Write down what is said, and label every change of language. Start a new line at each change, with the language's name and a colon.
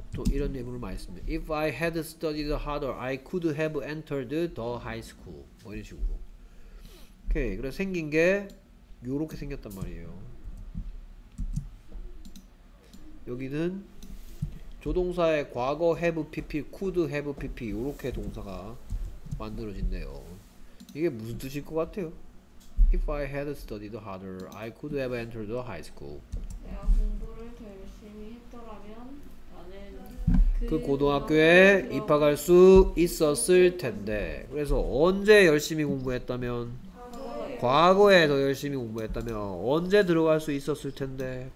Korean: 이런 예문을 많이 씁니다.
English: If I had studied harder, I could have entered the high school.
Korean: 뭐 이런 식으로. 오케이. 그래서 생긴 게 이렇게 생겼단 말이에요. 여기는 조동사의 과거 have pp,
English: could have pp
Korean: 이렇게 동사가 만들어진대요. 이게 무슨 뜻일 것 같아요?
English: If I had studied harder, I could have entered the high school.
Korean: 내가 공부를 더 열심히 했더라면 그 고등학교에 입학할 수 있었을 텐데. 그래서 언제 열심히 공부했다면? 과거에 더 열심히 공부했다면 언제 들어갈 수 있었을 텐데?